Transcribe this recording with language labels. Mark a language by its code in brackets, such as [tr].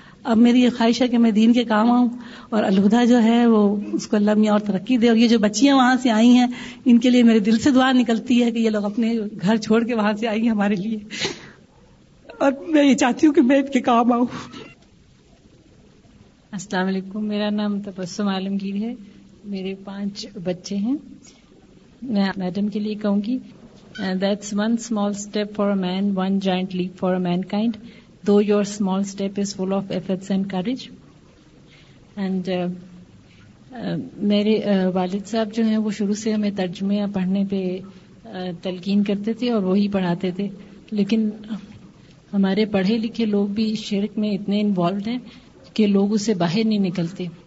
[ur] اب میری یہ خواہش ہے کہ میں دین کے کام آؤں اور الہدا جو ہے وہ اس کو اللہ میاں اور ترقی دے، اور یہ جو بچیاں وہاں سے آئی ہیں ان کے لیے میرے دل سے دعا نکلتی ہے کہ یہ لوگ اپنے گھر چھوڑ کے وہاں سے آئی ہیں ہمارے لیے، اور میں یہ چاہتی ہوں کہ میں ان کے کام آؤں. السلام علیکم. میرا نام تبسم عالمگیر ہے، میرے 5 بچے ہیں. میں میڈم کے لیے کہوں گی، [en] That's one small step for a man, one giant leap for a mankind. Though your small step is full of efforts and courage. [ur] And میرے والد صاحب جو ہیں وہ شروع سے ہمیں ترجمے یا پڑھنے پہ تلقین کرتے تھے اور وہی پڑھاتے تھے، لیکن ہمارے پڑھے لکھے لوگ بھی شرک میں اتنے انوالوڈ ہیں کہ لوگ اسے باہر نہیں نکلتے.